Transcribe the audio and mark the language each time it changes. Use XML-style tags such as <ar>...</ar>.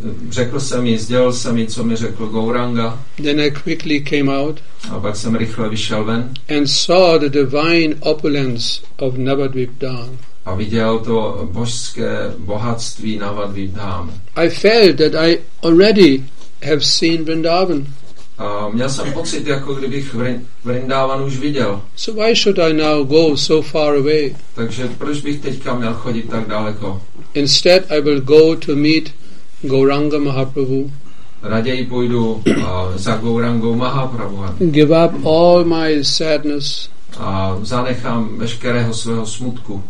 <cs>Řekl jsem jí, sdělil jsem jí, co mi řekl Gauranga.</cs> <en>Then I quickly came out.</en> <cs>A pak jsem rychle vyšel ven.</cs> <en>And saw the divine opulence of Navadvipdham.</en> <cs>A viděl to božské bohatství Navadvipdham.</cs> <en>I felt that I already have seen Vrindavan.</en> <cs>A měl jsem pocit, jako kdybych Vrindavan už viděl.</cs> <en>So why should I now go so far away?</en> <cs>Takže proč bych teďka měl chodit tak daleko?</cs> <en>Instead I will go to meet Gauranga Mahaprabhu.</en> <cs>Raději půjdu za Gaurangou Mahaprabhu.</cs> <en>Give up all my sadness.</en> <cs>A zanechám veškerého svého smutku.</cs>